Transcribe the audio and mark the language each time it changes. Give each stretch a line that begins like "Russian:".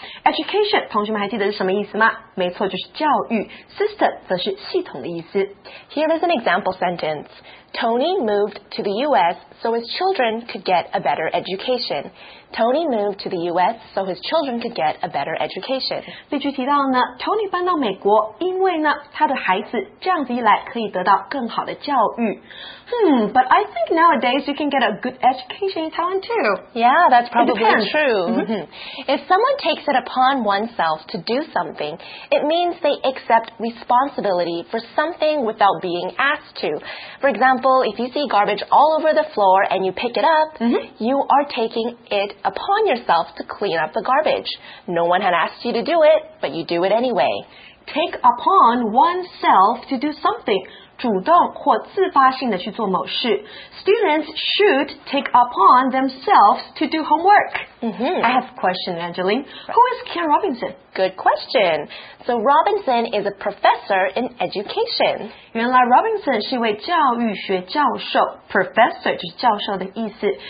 Chinese: Education， 同学们还记得是什么意思吗？没错，就是教育。 System 则是系统的意思。
English: Here is an example sentence. Tony moved to the U.S. so his children could get a better education. Tony moved to the U.S. so his children could get a better education.
Chinese: 例句提到呢 ，Tony 搬到美国，因为呢，他的孩子这样子一来可以得到更好的教育。
English: But I think nowadays you can get a good education in Taiwan too. Yeah, that's probably true. If someone takes it upon oneself to do something, it means they accept responsibility for something without being asked to. For example, if you see garbage all over the floor and you pick it up, you are taking it upon yourself to clean up the garbage. No one had asked you to do it, but you do it anyway. Take upon oneself to do something.
Chinese: 主动或自发性的去做某事。
English: Students should take upon themselves to do homework. I have a question, Angeline. Who is Ken Robinson? Good question. So Robinson is a professor in education.
Chinese: 原来 Robinson 是一位教育学教授。Professor 就是教授的意思。